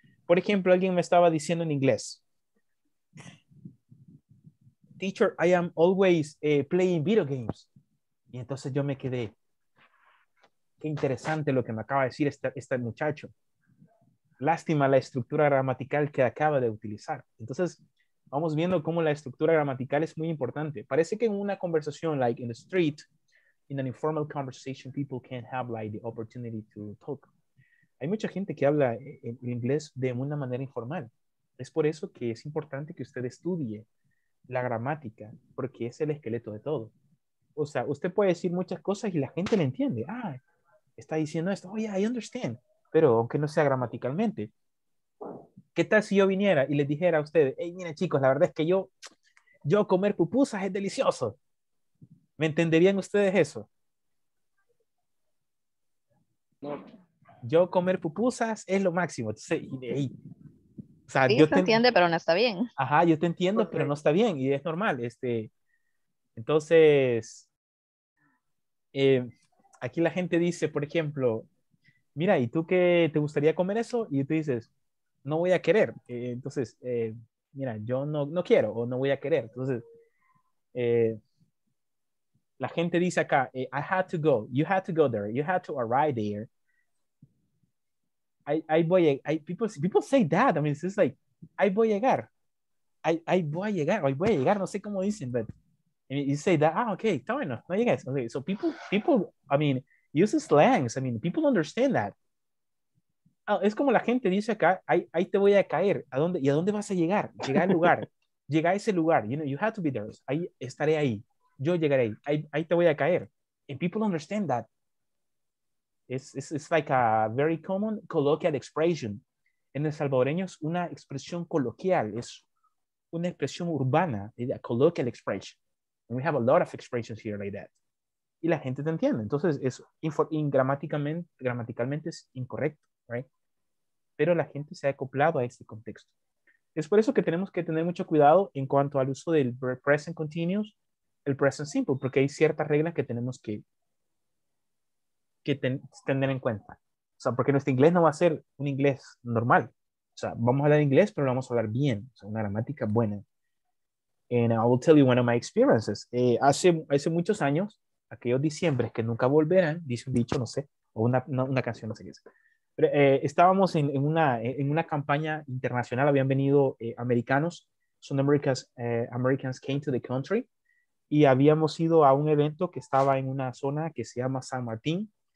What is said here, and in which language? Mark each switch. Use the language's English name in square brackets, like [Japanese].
[Spanish] Por ejemplo, alguien me estaba diciendo en inglés, [English] teacher, I am always playing video games. [Spanish] Y entonces yo me quedé, qué interesante lo que me acaba de decir este muchacho. Lástima la estructura gramatical que acaba de utilizar. Entonces, vamos viendo cómo la estructura gramatical es muy importante. Parece que en una conversación, [English] like in the street, in an informal conversation, people can't have like the opportunity to talk. [Spanish] Hay mucha gente que habla en inglés de una manera informal. Es por eso que es importante que usted estudie la gramática, porque es el esqueleto de todo. O sea, usted puede decir muchas cosas y la gente le entiende. Ah, está diciendo esto. [English] Oh, yeah, I understand. [Spanish] Pero aunque no sea gramaticalmente. ¿Qué tal si yo viniera y les dijera a ustedes, hey, miren chicos, la verdad es que yo comer pupusas es delicioso? ¿Me entenderían ustedes eso? No. Yo comer pupusas es lo máximo. Entonces, hey, o sea, sí, se entiende, pero no está bien. Ajá, yo te entiendo, okay. Pero no está bien y es normal. Entonces, aquí la gente dice, por ejemplo, mira, ¿y tú qué te gustaría comer eso? Y tú dices, no voy a querer. Entonces, mira, yo no quiero o no voy a querer. Entonces, la gente dice acá, [English] I had to go, you had to go there, you had to arrive there. People say that. I mean, it's like, I [Spanish] voy a llegar. No sé cómo dicen, [English] but you say that. [Spanish] Ah, okay, está bueno. No llegas. [English] Okay, so people, use slangs. I mean, people understand that. [Spanish] Oh, es como la gente dice acá, ahí te voy a caer. ¿A dónde? ¿Y a dónde vas a llegar? Llega al lugar. Llega a ese lugar. [English] You know, you have to be there. [Spanish] Ahí estaré ahí. Yo llegaré ahí. Ahí te voy a caer. [English] And people understand that. It's like a very common colloquial expression. [Spanish] En el salvadoreño es una expresión coloquial, es una expresión urbana, [English] a colloquial expression. And we have a lot of expressions here like that. [Spanish] Y la gente te entiende. Entonces, es gramaticalmente es incorrecto, right? Pero la gente se ha acoplado a este contexto. Es por eso que tenemos que tener mucho cuidado en cuanto al uso del present continuous, el present simple, porque hay ciertas reglas que tenemos que tener en cuenta. O sea, porque nuestro inglés no va a ser un inglés normal. O sea, vamos a hablar inglés, pero lo vamos a hablar bien. O sea, una gramática buena. [English] And I will tell you one of my experiences. [Spanish] Hace muchos años, aquellos diciembres que nunca volverán, dice un dicho, no sé, o una canción, no sé qué es. Pero, estábamos en una campaña internacional. Habían venido americanos. Son [English] Americans, Americans came to the country. [Spanish] Y habíamos ido a un evento que estaba en una zona que se llama San Martín.